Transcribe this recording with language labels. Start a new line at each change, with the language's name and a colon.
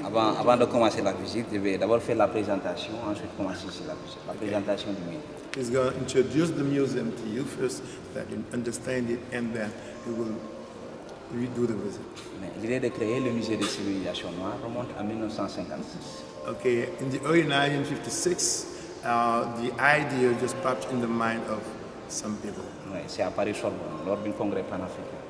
French: Avant de commencer la visite, je vais d'abord faire la présentation, ensuite commencer sur la visite. La présentation du musée.
English: He's going to introduce the museum to you first, that you understand it, and then you will redo the visit.
French: L'idée de créer le musée des civilisations noires remonte à 1956.
English: Okay, in the early 1956, the idea just popped in the mind of some people.
French: Ouais, c'est à Paris Sorbonne, lors d'un congrès panafricain.